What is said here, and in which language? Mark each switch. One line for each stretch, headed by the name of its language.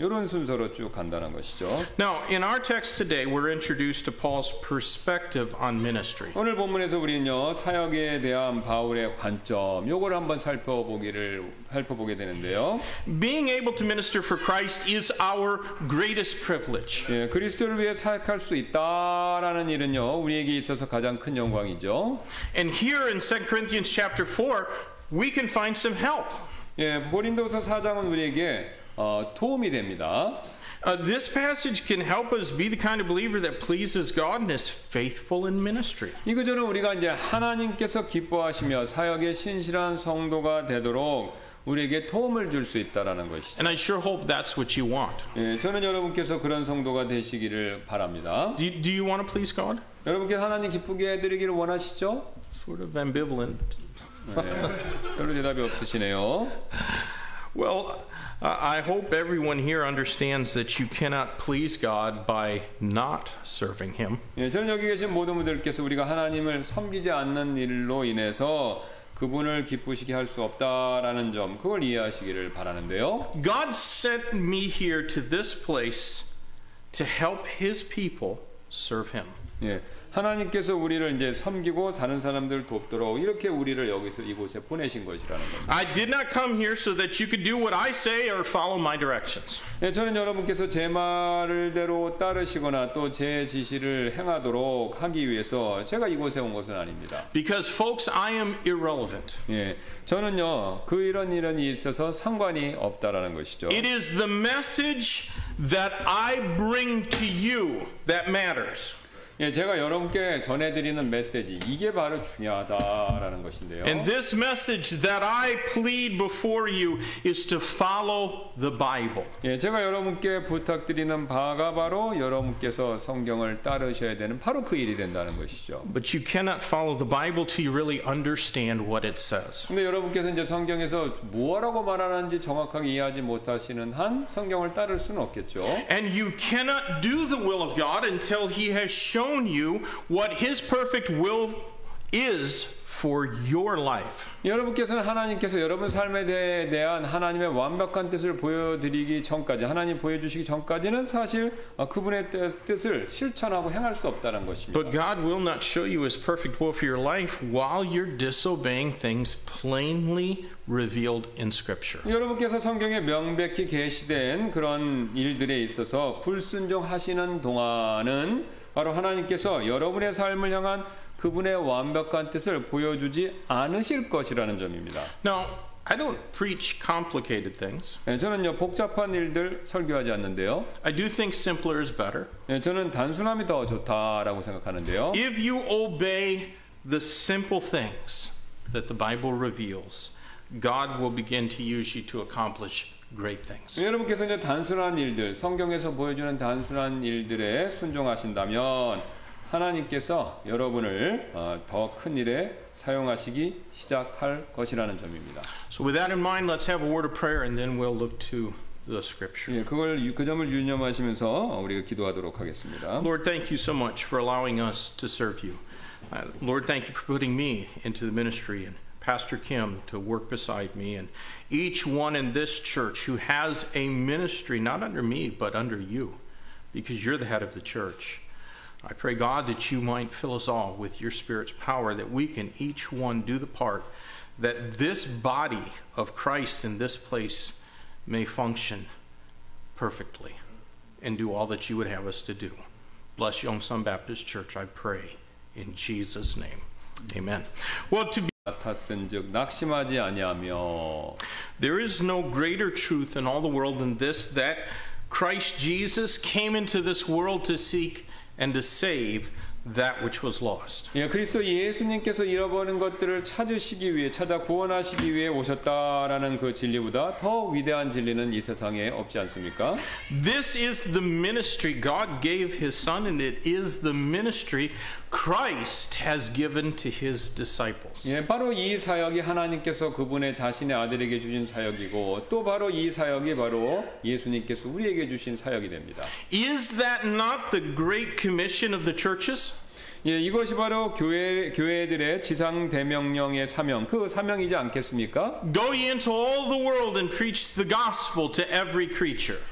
Korean: 이런 순서로 쭉 간단한 것이죠.
English: Now, in our text today, we're introduced to Paul's perspective on ministry.
Korean: 오늘 본문에서 우리는요, 사역에 대한 바울의 관점, 요걸 한번 살펴보게 되는데요.
English: Being able to minister for Christ is our greatest privilege.
Korean: 예, 그리스도를 위해 사역할 수 있다라는 일은요, 우리에게 있어서 가장 큰 영광이죠.
English: And here in 2 Corinthians chapter 4, we can find some help.
Korean: 예, 고린도서 4장은 우리에게 도움이 됩니다.
English: This passage can help us be the kind of believer that pleases God and is faithful in ministry.
Korean: 이 구절은 우리가 이제 하나님께서 기뻐하시며 사역에 신실한 성도가 되도록 우리에게 도움을 줄 수 있다라는 것이죠.
English: And I sure hope that's what you want.
Korean: 예, 저는 여러분께서 그런 성도가 되시기를 바랍니다.
English: Do you want to please God?
Korean: 여러분께서 하나님 기쁘게 해드리기를 원하시죠?
English: Sort of ambivalent.
Korean: 네, 별로 대답이 없으시네요.
English: Well, I hope everyone here understands that you cannot please God by not serving Him.
Korean: 예, 저는 여기 계신 모든 분들께서 우리가 하나님을 섬기지 않는 일로 인해서 그분을 기쁘시게 할 수 없다라는 점, 그걸 이해하시기를 바라는데요.
English: God sent me here to this place to help His people serve Him.
Korean: 예. 하나님께서 우리를 이제 섬기고 사는 사람들 돕도록 이렇게 우리를 여기서 이곳에 보내신 것이라는 겁니다.
English: I did not come here so that you could do what I say or follow my directions.
Korean: 예, 저는 여러분께서 제 말을 대로 따르시거나 또 제 지시를 행하도록 하기 위해서 제가 이곳에 온 것은 아닙니다.
English: Because folks, I am irrelevant.
Korean: 예. 저는요, 그 이런 일은 있어서 상관이 없다라는 것이죠.
English: It is the message that I bring to you that matters.
Korean: 예, 제가 여러분께 전해드리는 메시지 이게 바로 중요하다라는 것인데요.
English: And this message that I plead before you is to follow the Bible.
Korean: 예, 제가 여러분께 부탁드리는 바가 바로 여러분께서 성경을 따르셔야 되는 바로 그 일이 된다는 것이죠.
English: But you cannot follow the Bible till you really understand what it says.
Korean: 근데 여러분께서 이제 성경에서 뭐라고 말하는지 정확하게 이해하지 못하시는 한 성경을 따를 수는 없겠죠.
English: And you cannot do the will of God until He has shown you what His perfect will is for your life.
Korean: 여러분께서는 하나님께서 여러분 삶에 대한 하나님의 완벽한 뜻을 보여드리기 전까지 하나님 보여주시기 전까지는 사실 그분의 뜻을 실천하고 행할 수 없다는 것입니다.
English: But God will not show you His perfect will for your life while you're disobeying things plainly revealed in Scripture.
Korean: 여러분께서 성경에 명백히 계시된 그런 일들에 있어서 불순종하시는 동안은 바로 하나님께서 여러분의 삶을 향한 그분의 완벽한 뜻을 보여주지 않으실 것이라는 점입니다.
English: Now, I don't preach complicated things.
Korean: 예, 저는요 복잡한 일들 설교하지 않는데요.
English: I do think simpler is better.
Korean: 예, 저는 단순함이 더 좋다라고 생각하는데요.
English: If you obey the simple things that the Bible reveals, God will begin to use you to accomplish great things.
Korean: 여러분께서 이제 단순한 일들, 성경에서 보여주는 단순한 일들에 순종하신다면 하나님께서 여러분을 더 큰 일에 사용하시기 시작할 것이라는 점입니다.
English: So with that in mind, let's have a word of prayer and then we'll look to the scripture.
Korean: 예, 그 점을 유념하시면서 우리가 기도하도록 하겠습니다.
English: Lord, thank you so much for allowing us to serve you. Lord, thank you for putting me into the ministry and Pastor Kim to work beside me and each one in this church who has a ministry not under me but under you because you're the head of the church. I pray God that you might fill us all with your Spirit's power that we can each one do the part that this body of Christ in this place may function perfectly and do all that you would have us to do. Bless Yongsan Baptist Church, I pray in Jesus' name. Amen. Well, to be
Korean: 같았은즉 낙심하지 아니하며
English: There is no greater truth in all the world than this that Christ Jesus came into this world to seek and to save that which was lost.
Korean: 예, 그리스도 예수님께서 잃어버린 것들을 찾으시기 위해 찾아 구원하시기 위해 오셨다라는 그 진리보다 더 위대한 진리는 이 세상에 없지 않습니까?
English: This is the ministry God gave His Son, and it is the ministry Christ has given to His disciples.
Korean: 예, 바로 이 사역이 하나님께서 그분의 자신의 아들에게 주신 사역이고 또 바로 이 사역이 바로 예수님께서 우리에게 주신 사역이 됩니다.
English: Is that not the great commission of the churches?
Korean: 예, 이것이 바로 교회들의 지상 대명령의 사명, 그 사명이지 않겠습니까?
English: Go into all the world and preach the gospel to every creature.